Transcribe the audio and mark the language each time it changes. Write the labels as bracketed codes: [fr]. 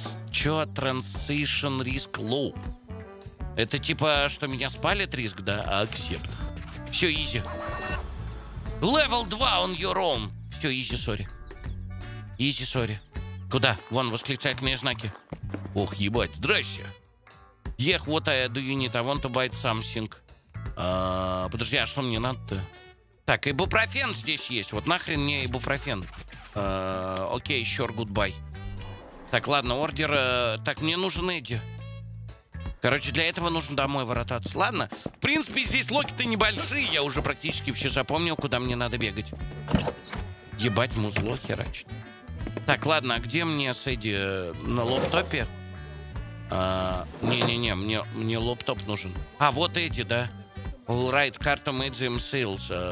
[ru] Чё, [en] transition risk low? [ru] Это типа, что меня спалит риск, да? [en] Accept. [ru] Всё, [en] easy. Level 2 on your own. [ru] Всё, [en] easy, sorry. Easy, sorry. [ru] Куда? Вон, восклицательные знаки. Ох, ебать, здрасте. [en] Yeah, what I do you need? I want to buy something. [ru] Подожди, а что мне надо-то? Так, ибупрофен здесь есть. Вот нахрен мне ибупрофен. [en] Окей, sure, goodbye. [ru] Так, ладно, ордер... Так, мне нужен Эдди. Короче, для этого нужно домой воротаться. Ладно, в принципе, здесь локи-то небольшие. Я уже практически все запомнил, куда мне надо бегать. Ебать, музло херачит. Так, ладно, а где мне с Эдди? На лоптопе? Не-не-не, мне лоптоп нужен. А, вот Эдди, да? [en] All right, [ru] карта [en] made them sales.